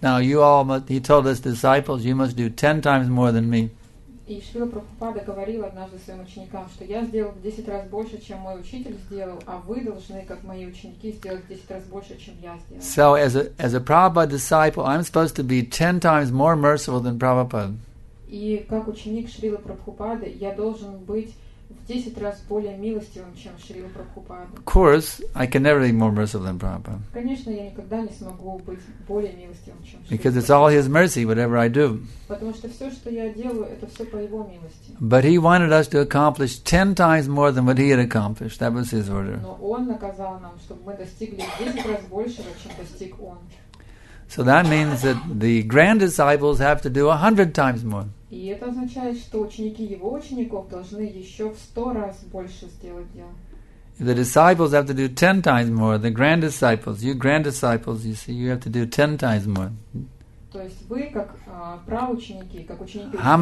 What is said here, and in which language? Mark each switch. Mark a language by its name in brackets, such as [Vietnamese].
[English] Now you all must, he told his disciples, you must do 10 times more than me. [Russian] И Шрила Прабхупада говорил однажды своим ученикам, что я сделал 10 раз больше, чем мой учитель сделал, а вы должны, как мои ученики, сделать 10 раз больше, чем я сделал. [English] So as a Prabhupada disciple, I'm supposed to be 10 times more merciful than Prabhupada. [Russian] И как ученик Шрилы Прабхупады, я должен быть 10 раз более милостивым, чем Шрила Прабхупада. [English] Of course, I can never be more merciful than Prabhupada. [Russian] Конечно, я никогда не смогу быть более милостивым, чем Шрила. [English] Because it's all His mercy, whatever I do. [Russian] Потому что все, что я делаю, это все по Его милости. [English] But He wanted us to accomplish 10 times more than what He had accomplished. That was His order. [Russian] Но Он наказал нам, чтобы мы достигли 10 раз большего, чем достиг Он. [English] So that means that the grand disciples have to do 100 times more. [Russian] И это означает, что ученики его учеников должны еще в 100 раз больше сделать дела. [English] If the disciples have to do 10 times more, the grand disciples, you grand disciples, you see, you have to do 10 times more. [Russian] То есть вы как праученики, как ученики.